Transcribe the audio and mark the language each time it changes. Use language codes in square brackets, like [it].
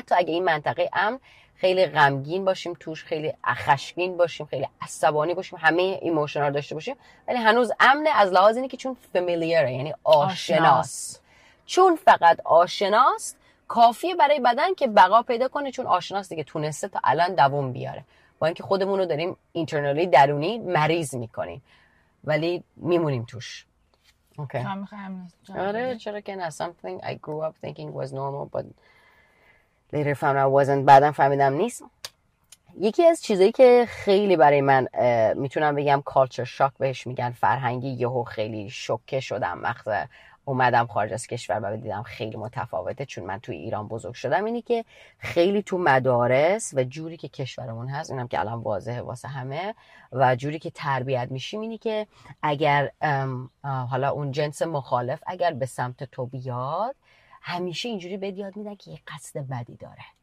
[fa] حتی اگه این منطقه امن خیلی غمگین باشیم توش، خیلی خشمگین باشیم، خیلی عصبانی باشیم، همه ایموشن ها داشته باشیم، ولی هنوز امنه، از لحاظ اینه که چون فامیلیاره، یعنی آشناس. چون فقط آشناست کافیه برای بدن که بقا پیدا کنه، چون آشناست دیگه، تونسته تا الان دووم بیاره. با اینکه خودمون رو داریم اینترنالی درونی مریض میکنیم، ولی میمونیم توش. اوکی. شما میخوایم آره چرا که نه. [en] something I grew up thinking was normal but later found out wasn't. [fa] بعدم فهمیدم نیست. یکی از چیزایی که خیلی برای من میتونم بگم culture shock بهش میگن، فرهنگی، یهو خیلی شوکه شدم وقتی اومدم خارج از کشور و دیدم خیلی متفاوته، چون من توی ایران بزرگ شدم، اینی که خیلی تو مدارس و جوری که کشورمون هست، اینم که الان واضحه واسه همه، و جوری که تربیت میشیم، اینی که اگر حالا اون جنس مخالف اگر به سمت تو بیاد، همیشه اینجوری بهت یاد میدن که یه قصد بدی داره.